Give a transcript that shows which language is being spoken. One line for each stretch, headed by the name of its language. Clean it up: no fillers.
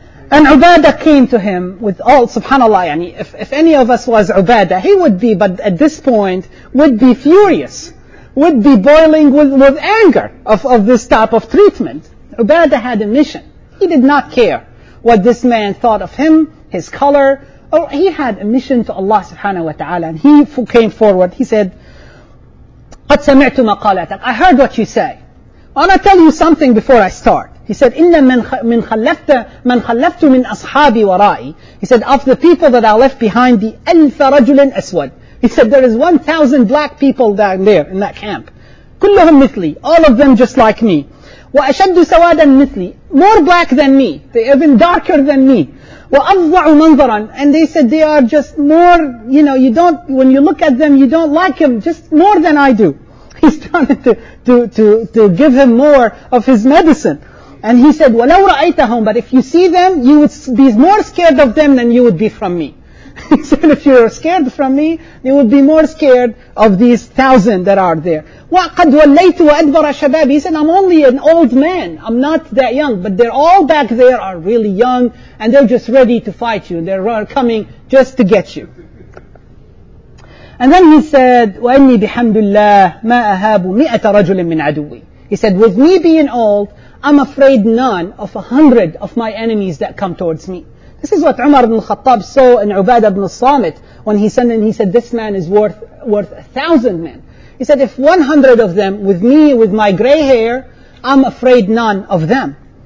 English: And Ubadah came to him with all, subhanAllah, يعني, if any of us was Ubadah, he would be, but at this point, would be furious, would be boiling with anger of this type of treatment. Ubadah had a mission. He did not care what this man thought of him, his color. Oh, he had a mission to Allah subhanahu wa ta'ala, and he came forward. He said,
Arabic: قَدْ سَمِعْتُ مَقَالَتَكْ.
English: I heard what you say. I want to tell you something before I start. He said,
Arabic: إِنَّ مَنْ خَلَّفْتُ مِنْ أَصْحَابِ وَرَائِي.
English: He said, of the people that I left behind, the
Arabic: أَلْفَ رَجُلٍ أَسْوَدٍ.
English: He said, there is 1,000 black people down there in that camp.
Arabic: كُلُّهُمْ مِثْلِي.
English: All of them just like me.
Arabic: وَأَشَدُّ سَوَادًا مِثْلِي.
English: More black than me. They are even darker than me.
Arabic: وَأَضْوَعُ مَنْظَرًا.
English: And they said, they are just more, you know, you don't, when you look at them, you don't like them, just more than I do. He started to give him more of his medicine. And he said,
Arabic: وَلَوْ رَأَيْتَهُمْ.
English: But if you see them, you would be more scared of them than you would be from me. He said, if you're scared from me, you would be more scared of these 1,000 that are there.
Arabic: وَقَدْ وَلَّيْتُ وَأَدْبَرَ شَبَابِ.
English: He said, I'm only an old man. I'm not that young. But they're all back there are really young, and they're just ready to fight you. They're coming just to get you. And then he said,
Arabic: وَأَنِّي بِحَمْدُ اللَّهِ مَا أَهَابُ مِئَةَ رَجُلٍ مِّنْ عَدُوِّي.
English: He said, with me being old, I'm afraid none of 100 of my enemies that come towards me. This is what Umar ibn al-Khattab saw in Ubadah ibn al-Samit when he sent in. He said, this man is worth 1,000 men. He said, if 100 of them with me, with my gray hair, I'm afraid none of them.